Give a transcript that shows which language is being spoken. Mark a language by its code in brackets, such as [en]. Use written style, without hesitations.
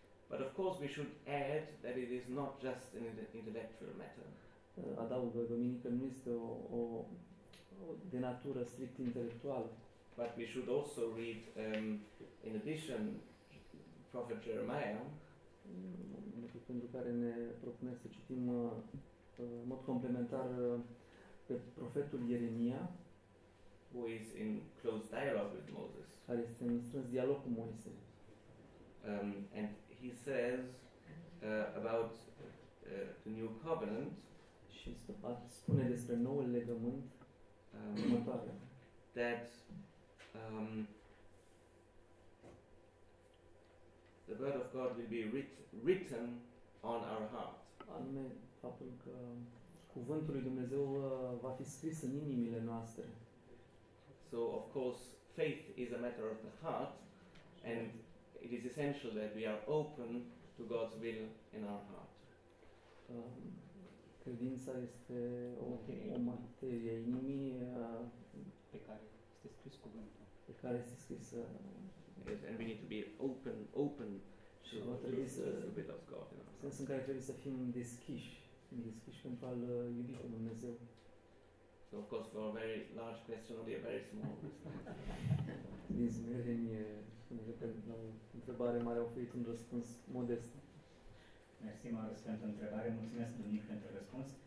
[en] But of course we should add that it is not just an intellectual matter. [ro] Adaugă, duminică nu este o de natură strict intelectuală. [en] But we should also read, in addition, Prophet Jeremiah. [ro] Motiv pentru care ne propunem să citim în mod complementar pe profetul Ieremia, [en] who is in close dialogue with Moses. [ro] Care este în strâns dialog cu Moise. [en] And he says about the new covenant. [ro] Și spune despre noul legământ următoare. [en] That the word of God will be written on our heart. [ro] Anume, faptul că cuvântul lui Dumnezeu va fi scris în inimile noastre. [en] So of course faith is a matter of the heart and it is essential that we are open to God's will in our heart. [ro] Credința este o materie a inimii pe care este scris cuvântul. Pe care este scris, [en] and we need to be open to the God. [ro] În sensul în care trebuie să fim deschiși pentru a-L iubi pe Dumnezeu. [en] So of course for a very large question, only a very small question. [ro] Din smerenie, spune că la o întrebare mare a oferit un răspuns modest. Mersi, Marius, pentru întrebare. Mulțumesc, Dumnezeu, pentru răspuns.